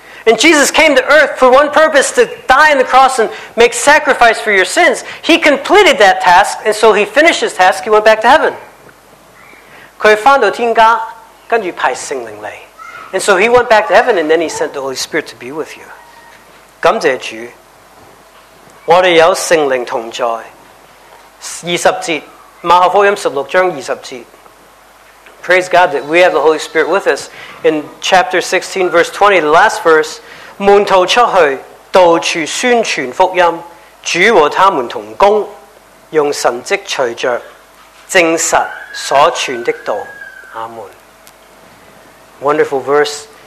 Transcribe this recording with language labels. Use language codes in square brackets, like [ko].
[en] And Jesus came to earth for one purpose, to die on the cross and make sacrifice for your sins. He completed that task, and so he finished his task, he went back to heaven. [zh] 他回到天家，跟着派圣灵来。 [en] And so he went back to heaven, and then he sent the Holy Spirit to be with you. [zh] 感谢主。 [en] Praise God that we have the Holy Spirit with us. In chapter 16, verse 20, the last verse, [zh] 门徒出去，到处宣传福音，主和他们同工，用神迹随着证实所传的道。阿门。 [en] Wonderful verse.